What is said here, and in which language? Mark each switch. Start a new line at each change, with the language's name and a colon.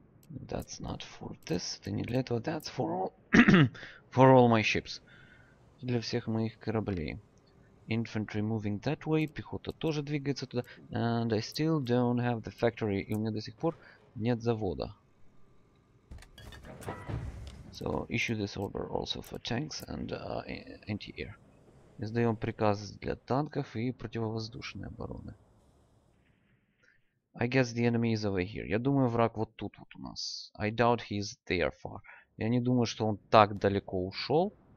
English: That's not for this.
Russian: Это не для этого.
English: That's for all for all my ships.
Russian: Для всех моих кораблей.
English: Infantry moving that way.
Russian: Пехота тоже двигается туда.
English: And I still don't have the factory.
Russian: И у меня до сих пор нет завода.
English: So issue this order also for tanks and anti-air.
Russian: Издаем приказ для танков и противовоздушной обороны.
English: I guess the enemy is over here.
Russian: Я думаю, враг вот тут вот у нас.
English: I doubt he is there far.
Russian: Я не думаю, что он так далеко ушел.